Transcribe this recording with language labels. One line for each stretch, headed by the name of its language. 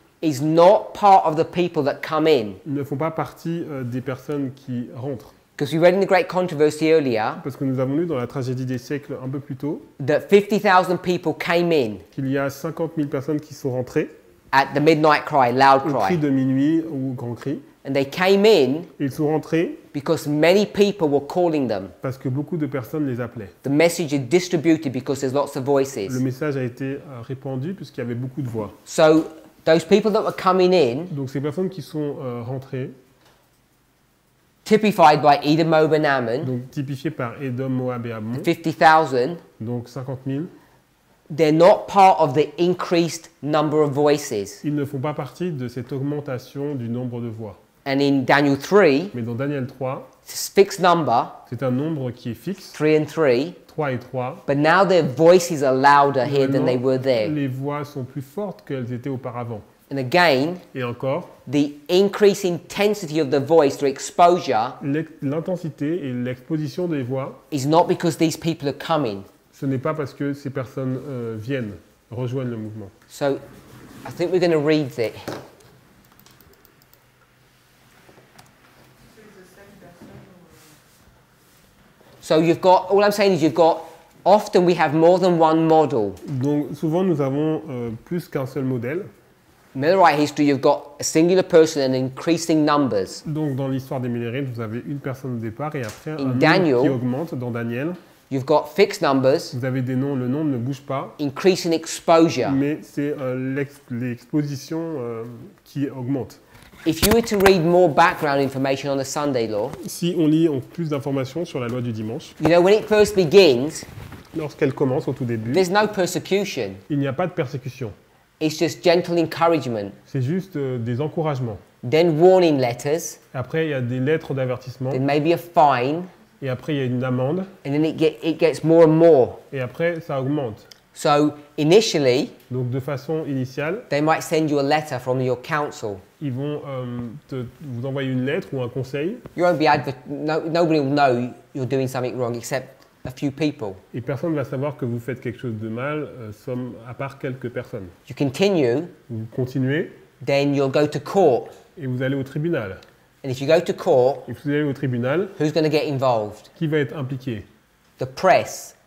English: is not part of the people that come in.
French: Ne font pas partie des personnes qui rentrent.
English: Because we read in the Great Controversy earlier,
French: parce que nous avons lu dans la tragédie des siècles un peu plus tôt,
English: that 50,000 people came in,
French: qu'il y a 50,000 personnes qui sont rentrées,
English: at the midnight cry, loud cry,
French: au cri de minuit ou grand cri,
English: and they came in,
French: ils sont rentrés,
English: because many people were calling them,
French: parce que beaucoup de personnes les appelaient,
English: the message is distributed because there's lots of voices,
French: le message a été répandu puisqu'il y avait beaucoup de voix,
English: so those people that were coming in,
French: donc ces personnes qui sont rentrées.
English: Typified by Edom, Moab, and Ammon.
French: Donc typifié par Edom, Moab et Ammon.
English: 50,000.
French: Donc 50,000.
English: They're not part of the increased number of voices.
French: Ils ne font pas partie de cette augmentation du nombre de voix.
English: And in Daniel 3,
French: mais dans Daniel 3,
English: it's a fixed number,
French: c'est un nombre qui est fixe,
English: 3 and 3,
French: 3 et 3,
English: but now their voices are louder here than they were there.
French: Les voix sont plus fortes qu'elles étaient auparavant.
English: And again,
French: et encore,
English: the increased intensity of the voice through exposure,
French: l'intensité et l'exposition des voix,
English: is not because these people are coming.
French: Ce n'est pas parce que ces personnes viennent, rejoignent le mouvement.
English: So, I think we're going to read it. So you've got, all I'm saying is you've got, often we have more than one model.
French: Donc souvent nous avons plus qu'un seul modèle.
English: Millerite history, you've got a singular person and increasing numbers.
French: Donc dans l'histoire des Millerites, vous avez une personne au départ et après un nombre qui augmente dans Daniel.
English: You've got fixed numbers.
French: Vous avez des noms, le nombre ne bouge pas.
English: Increasing exposure.
French: Mais c'est l'exposition qui augmente.
English: If you were to read more background information on the Sunday law,
French: si on lit on plus d'informations sur la loi du dimanche,
English: you know, when it first begins,
French: lorsqu'elle commence au tout début,
English: there's no persecution.
French: Il n'y a pas de persécution.
English: It's just gentle encouragement.
French: C'est juste des encouragements.
English: Then warning letters.
French: Après, il y a des lettres d'avertissement.
English: Then maybe a fine.
French: Et après, il y a une amende.
English: And then it gets more and more.
French: Et après, ça augmente.
English: So initially,
French: donc de façon initiale,
English: they might send you a letter from your council.
French: Ils vont vous envoyer une lettre ou un conseil.
English: You won't be nobody will know you're doing something wrong except a few people.
French: Et personne ne va savoir que vous faites quelque chose de mal, à part quelques personnes.
English: You continue.
French: Vous continuez.
English: Then you'll go to court.
French: Et vous allez au tribunal.
English: And if you go to court,
French: et vous allez au tribunal,
English: who's going to get involved?
French: Qui va être impliqué?
English: The press.